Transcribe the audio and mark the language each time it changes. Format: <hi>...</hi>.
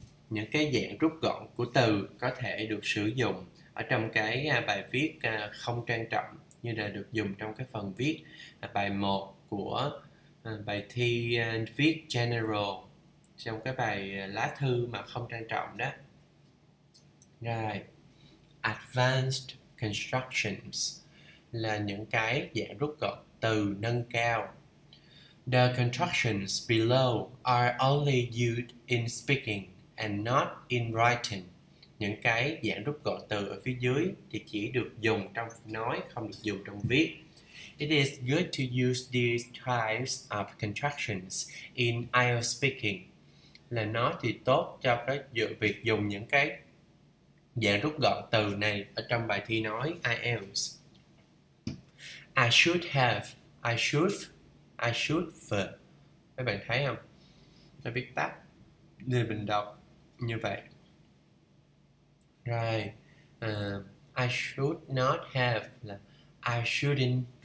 <vi>Những cái dạng rút gọn của từ có thể được sử dụng ở trong cái bài viết không trang trọng, như là được dùng trong cái phần viết bài 1 của bài thi viết general trong cái bài lá thư mà không trang trọng đó. Rồi, advanced constructions là những cái dạng rút gọn từ nâng cao.</vi> <en>The constructions below are only used in speaking and not in writing.</en> <vi>Những cái dạng rút gọn từ ở phía dưới thì chỉ được dùng trong nói, không được dùng trong viết.</vi> <en>It is good to use these types of contractions in IELTS speaking.</en> <vi>Là nó thì tốt cho cái việc dùng những cái dạng rút gọn từ này ở trong bài thi nói IELTS.</vi> <en>I should have, I should have.</en> <vi>Các bạn thấy không? Ta viết tắt để mình đọc như vậy.</vi> <en>Rồi, I should not have là I shouldn't.</en>